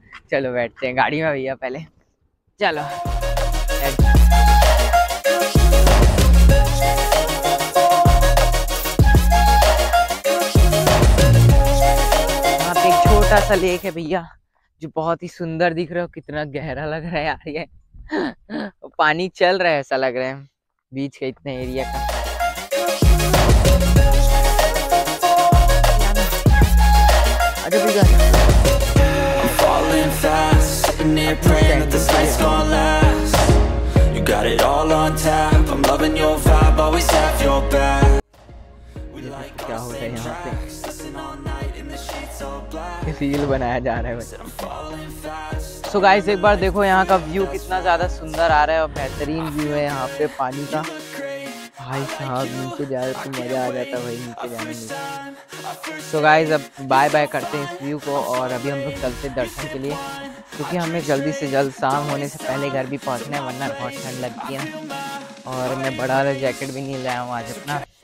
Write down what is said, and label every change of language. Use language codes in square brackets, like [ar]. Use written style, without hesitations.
[hi] चलो बैठते हैं गाड़ी में भैया, पहले चलो यहाँ पे एक छोटा सा लेक है भैया जो बहुत ही सुंदर दिख रहा है, कितना गहरा लग रहा है यार ये पानी चल रहा है ऐसा लग रहा है बीच के इतने एरिया का। [en] I'm falling fast, sitting here praying that this life's gonna last. You got it all on tap, I'm loving your vibe, always have your back. We like our same tracks, listen all night in the sheets all black. [hi] ये feel बनाया जा रहा है भाई। [en] So guys [hi] एक बार देखो यहाँ का व्यू कितना ज्यादा सुंदर आ रहा है, और बेहतरीन व्यू है यहाँ पे पानी का भाई साहब, नीचे जाए तो मजा आ जाता भाई नीचे जाने में। सो गाइज अब बाय बाय करते हैं इस व्यू को, और अभी हम लोग चलते दर्शन के लिए, क्योंकि हमें जल्दी से जल्द शाम होने से पहले घर भी पहुंचना है, वरना बहुत ठंड लगती है, और मैं बड़ा वाला जैकेट भी नहीं लाया हूँ आज अपना।